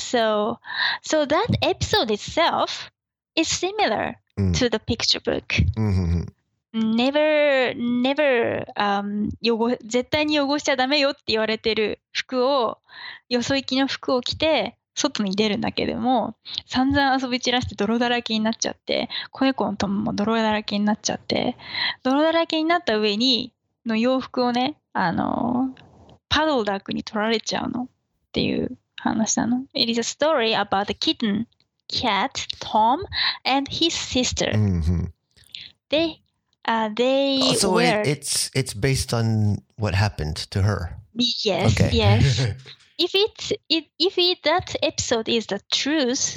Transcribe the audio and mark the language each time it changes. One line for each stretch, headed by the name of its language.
English: So that episode itself is similar to the picture book. never, never,
Japanese: 汚、絶対に汚しちゃダメよって言われてる服を、よそ行きの服を着て、外に出るんだけども、散々遊び散らして泥だらけになっちゃって、子猫のトムも泥だらけになっちゃって、泥だらけになった上に、の洋服をね、パドルダックに取られちゃうのっていう話なの。
English: It is a story about the kitten, cat, Tom, and his sister.、 Mm-hmm. They were... So it's based on what happened to her? Yes,、okay. yes. If that episode is the truth,